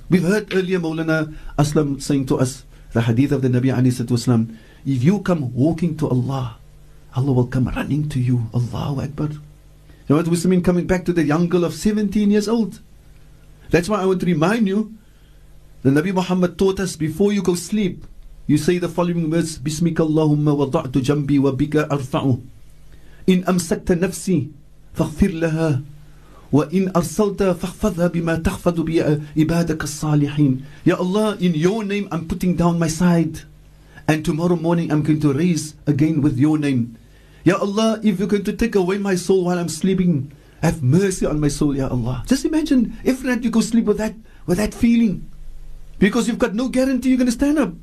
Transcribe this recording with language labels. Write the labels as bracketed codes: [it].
[en] We've heard earlier Mawlana Aslam saying to us, the hadith of the Nabi alayhi salatu wasalam, if you come walking to Allah, Allah will come running to you. Allahu Akbar. You know what wisdom in coming back to the young girl of 17 years old? That's why I want to remind you, the Nabi Muhammad taught us, before you go sleep, you say the following words, [ar] Bismika Allahumma wada'tu jambi wa bika arfa'u. إن أمسكت نفسي فاغفر لها وإن أرسلت فاحفظها بما تحفظ بعبادك الصالحين. [en] Ya Allah, in your name I'm putting down my side, and tomorrow morning I'm going to raise again with your name. Ya Allah, if you're going to take away my soul while I'm sleeping, have mercy on my soul, Ya Allah. Just imagine if not you go sleep with that feeling, because you've got no guarantee you're going to stand up.